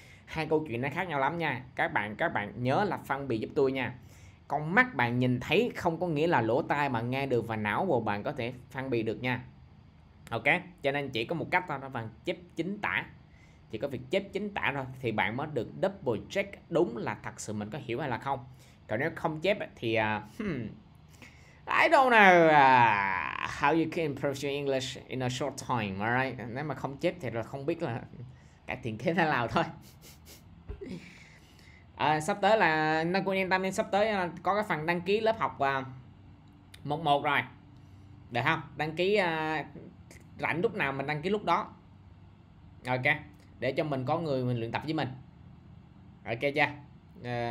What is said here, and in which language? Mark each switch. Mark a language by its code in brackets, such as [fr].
[vi] Hai câu chuyện nó khác nhau lắm nha. Các bạn nhớ là phân biệt giúp tôi nha. Con mắt bạn nhìn thấy không có nghĩa là lỗ tai bạn nghe được và não của bạn có thể phân biệt được nha. Ok, cho nên chỉ có một cách thôi, đó là chép chính tả. Chỉ có việc chép chính tả thôi thì bạn mới được double check đúng là thật sự mình có hiểu hay là không. Còn nếu không chép thì [en] I don't know how you can improve your English in a short time, alright? [vi] Nếu mà không chép thì là không biết là cải thiện thế nào thôi. Sắp tới là nó cũng yên tâm nên sắp tới có cái phần đăng ký lớp học 1-1 rồi. Được không? Đăng ký rảnh lúc nào mình đăng ký lúc đó. Ok. Để cho mình có người mình luyện tập với mình. Ok chưa?